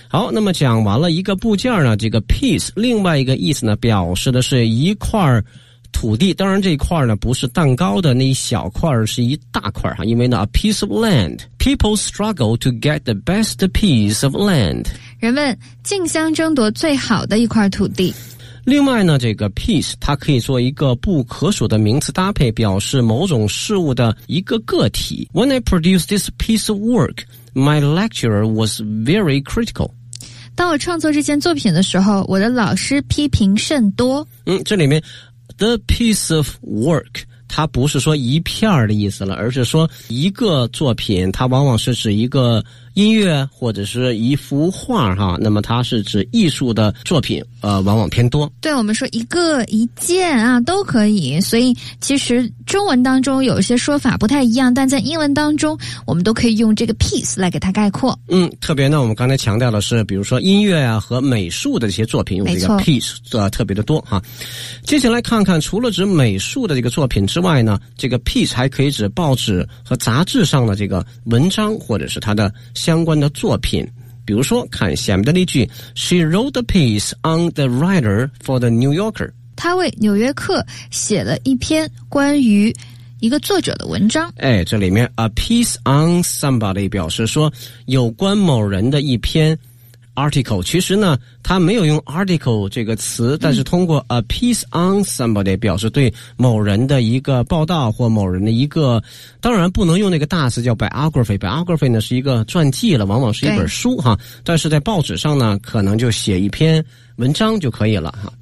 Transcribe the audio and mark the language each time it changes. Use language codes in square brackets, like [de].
[zh] 好，那么讲完了一个部件呢，这个 piece 另外一个意思呢表示的是一块土地，当然这一块呢不是蛋糕的那一小块，是一大块哈，因为呢 [en] a piece of land， [zh] people struggle to get the best piece of land，人们竞相争夺最好的一块土地。另外呢这个 piece 它可以做一个不可数的名词搭配，表示某种事物的一个个体。 [en] When I produced this piece of work my lecturer was very critical， [zh] 当我创作这件作品的时候我的老师批评甚多。嗯，这里面 [en] The piece of work， [zh] 它不是说一片的意思了，而是说一个作品，它往往是指一个音乐或者是一幅画哈。那么它是指艺术的作品，往往偏多。对，我们说一个一件啊都可以，所以其实中文当中有一些说法不太一样，但在英文当中我们都可以用这个 piece 来给它概括。嗯，特别呢我们刚才强调的是比如说音乐啊和美术的这些作品用这个 piece 的特别的多哈。接下来看看除了指美术的这个作品之外呢，这个 piece 还可以指报纸和杂志上的这个文章或者是它的相关的作品。比如说看下面的例句， [en] She wrote the piece on the writer for the New Yorker， [zh] 她为纽约客写了一篇关于一个作者的文章。哎，这里面 [en] a piece on somebody [zh] 表示说有关某人的一篇 article， 其实呢他没有用 article 这个词，但是通过 a piece on somebody 表示对某人的一个报道或某人的一个，当然不能用那个大词叫 biography， biography 呢是一个传记了，往往是一本书哈，但是在报纸上呢可能就写一篇文章就可以了哈。